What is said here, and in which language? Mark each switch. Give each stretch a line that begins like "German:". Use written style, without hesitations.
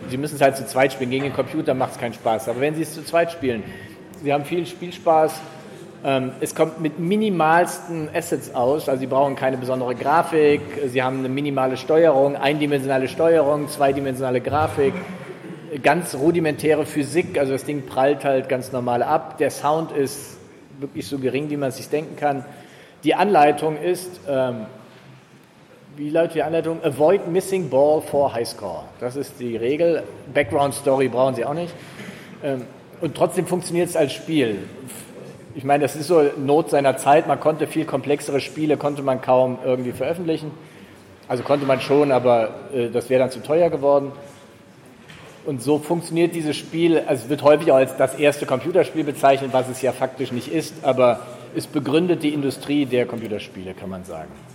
German: Sie müssen es halt zu zweit spielen, gegen den Computer macht es keinen Spaß. Aber wenn Sie es zu zweit spielen, Sie haben viel Spielspaß, es kommt mit minimalsten Assets aus, also Sie brauchen keine besondere Grafik, Sie haben eine minimale Steuerung, eindimensionale Steuerung, zweidimensionale Grafik. Ganz rudimentäre Physik, also das Ding prallt halt ganz normal ab. Der Sound ist wirklich so gering, wie man es sich denken kann. Die Anleitung ist, wie lautet die Anleitung?
English: Avoid missing ball for high score.
German: Das ist die Regel. Background Story brauchen Sie auch nicht. Und trotzdem funktioniert es als Spiel. Ich meine, das ist so Not seiner Zeit. Man konnte viel komplexere Spiele, konnte man kaum irgendwie veröffentlichen. Also konnte man schon, aber das wäre dann zu teuer geworden. Und so funktioniert dieses Spiel, also es wird häufig auch als das erste Computerspiel bezeichnet, was es ja faktisch nicht ist, aber es begründet die Industrie der Computerspiele, kann man sagen.